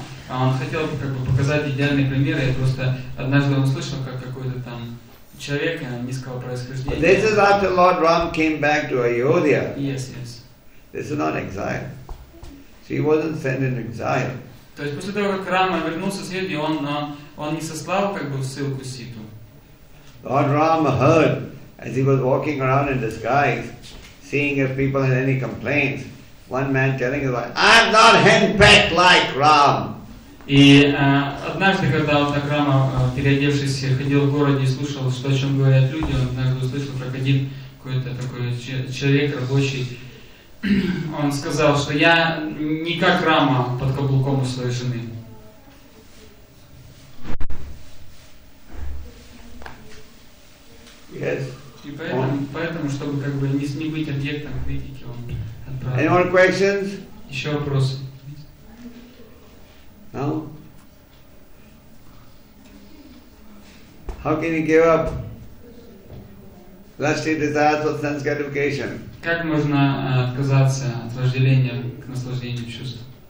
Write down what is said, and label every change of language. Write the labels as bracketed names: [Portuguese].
[Russian] Он хотел как бы показать идеальный пример, я просто однажды услышал, как какой-то там человек низкого происхождения. [English] But this is after Lord Ram came back to Ayodhya. Yes, yes. This is not exile. So he wasn't sent in exile. [Russian] То есть после того, как Рама вернулся с Ayodhya, он не сослал как бы ссылку Ситу. [English] Lord Ram heard as he was walking around in disguise, seeing if people had any complaints. One man telling him, "I'm not henpecked like Ram." [Russian] И однажды, когда он так рано переодевшись, ходил в городе и слушал, что о чем говорят люди, он однажды услышал, как один какой-то такой человек рабочий, он сказал, что я не как Рама под каблуком у своей жены. [English] Yes. [Russian] И поэтому, чтобы как бы не быть объектом критики, он отправил. [English] Any more questions? [Russian] Еще вопросы? [English] No? How can you give up lusty desires for sense gratification? [Russian] Как можно отказаться от вожделения к наслаждению чувств?